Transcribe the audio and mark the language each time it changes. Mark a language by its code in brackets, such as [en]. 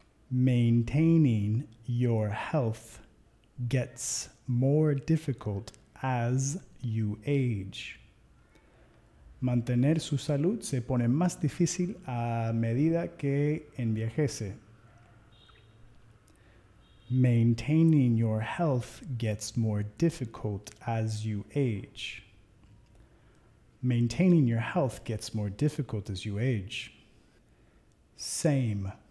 [en] Maintaining your health gets more difficult as you age. [es] Mantener su salud se pone más difícil a medida que envejece. [en] Maintaining your health gets more difficult as you age. Maintaining your health gets more difficult as you age. Same.